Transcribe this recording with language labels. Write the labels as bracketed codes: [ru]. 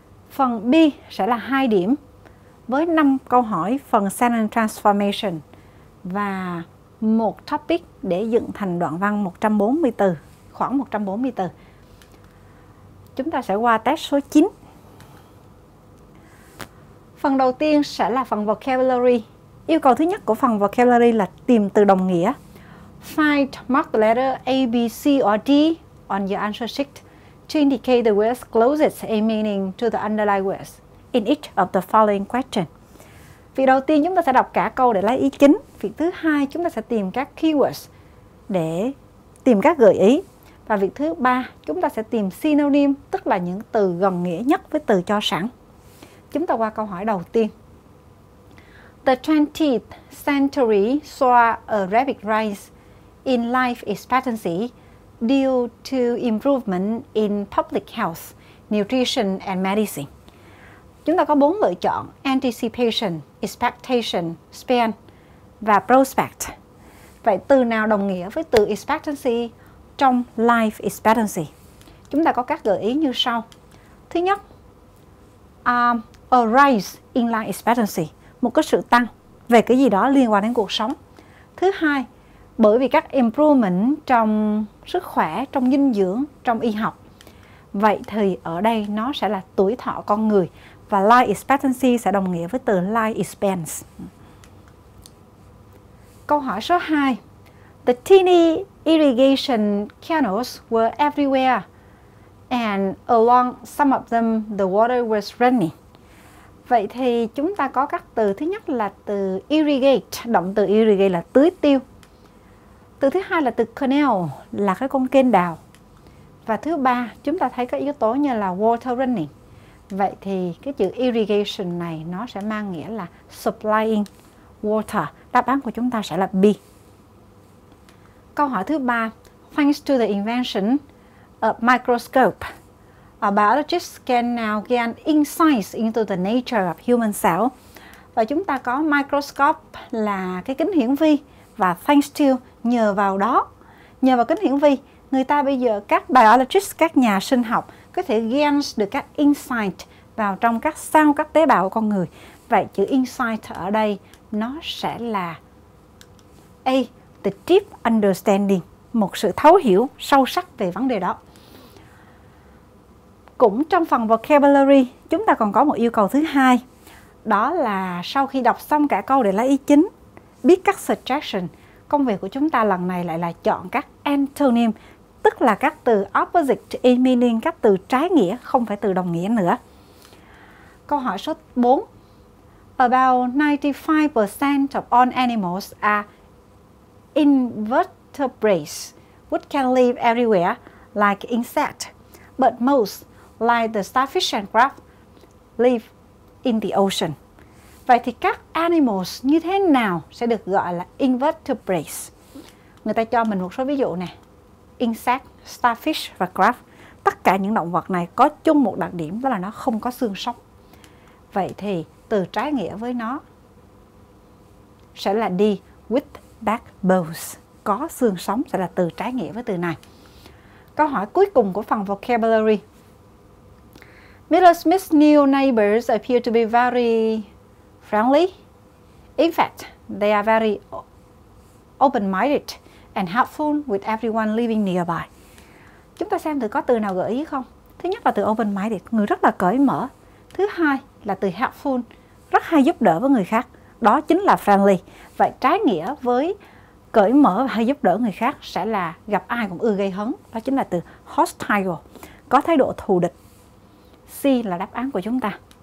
[vi] Phần B sẽ là 2 điểm với 5 câu hỏi phần [en] sentence transformation [vi] và một topic để dựng thành đoạn văn 140 từ, khoảng 140 từ. Chúng ta sẽ qua test số 9. Phần đầu tiên sẽ là phần vocabulary. Yêu cầu thứ nhất của phần vocabulary là tìm từ đồng nghĩa. [en] Find mark the letter A, B, C or D on your answer sheet to indicate the words closest in meaning to the underlying words in each of the following questions. [vi] Việc đầu tiên chúng ta sẽ đọc cả câu để lấy ý chính. Việc thứ hai chúng ta sẽ tìm các keywords để tìm các gợi ý. Và việc thứ ba chúng ta sẽ tìm synonym, tức là những từ gần nghĩa nhất với từ cho sẵn. Chúng ta qua câu hỏi đầu tiên. [en] The 20th century saw a rapid rise in life expectancy due to improvement in public health, nutrition and medicine. [vi] Chúng ta có 4 lựa chọn: anticipation, expectation, span và prospect. Vậy từ nào đồng nghĩa với từ expectancy trong life expectancy? Chúng ta có các gợi ý như sau. Thứ nhất, [en] a rise in life expectancy, [vi] một cái sự tăng về cái gì đó liên quan đến cuộc sống. Thứ hai, bởi vì các improvement trong sức khỏe, trong dinh dưỡng, trong y học. Vậy thì ở đây nó sẽ là tuổi thọ con người. Và life expectancy sẽ đồng nghĩa với từ [en] life expense. Câu hỏi số 2. The tiny irrigation canals were everywhere. And along some of them, the water was running. [vi] Vậy thì chúng ta có các từ. Thứ nhất là từ irrigate. Động từ irrigate là tưới tiêu. Từ thứ hai là từ canal, là cái con kênh đào. Và thứ ba, chúng ta thấy các yếu tố như là [en] water running. [vi] Vậy thì cái chữ irrigation này nó sẽ mang nghĩa là [en] supplying water. [vi] Đáp án của chúng ta sẽ là B. Câu hỏi thứ 3. [en] Thanks to the invention of microscope, a biologist can now gain insights into the nature of human cell. [vi] Và chúng ta có microscope là cái kính hiển vi. Và thanks to, nhờ vào đó, nhờ vào kính hiển vi, người ta bây giờ các biologist, các nhà sinh học có thể gain được các insight vào trong các sao, các tế bào của con người. Vậy chữ insight ở đây nó sẽ là A, [en] the deep understanding, [vi] một sự thấu hiểu sâu sắc về vấn đề đó. Cũng trong phần vocabulary, chúng ta còn có một yêu cầu thứ hai, đó là sau khi đọc xong cả câu để lấy ý chính, biết các suggestion, công việc của chúng ta lần này lại là chọn các antonym, tức là các từ [en] opposite in meaning, [vi] các từ trái nghĩa, không phải từ đồng nghĩa nữa. Câu hỏi số 4. [en] About 95% of all animals are invertebrates, which can live everywhere, like insects. But most, like the starfish and crab, live in the ocean. [vi] Vậy thì các animals như thế nào sẽ được gọi là invertebrates? Người ta cho mình một số ví dụ này. Insect, starfish và crab. Tất cả những động vật này có chung một đặc điểm, đó là nó không có xương sống. Vậy thì từ trái nghĩa với nó sẽ là D, [en] with backbones. [vi] Có xương sống sẽ là từ trái nghĩa với từ này. Câu hỏi cuối cùng của phần vocabulary. [en] Mr. Smith's new neighbors appear to be very friendly. In fact, they are very open-minded and helpful with everyone living nearby. [vi] Chúng ta xem thử có từ nào gợi ý không? Thứ nhất là từ open-minded, người rất là cởi mở. Thứ hai là từ helpful, rất hay giúp đỡ với người khác. Đó chính là friendly. Vậy trái nghĩa với cởi mở hay giúp đỡ người khác sẽ là gặp ai cũng ưa gây hấn. Đó chính là từ hostile, có thái độ thù địch. C là đáp án của chúng ta.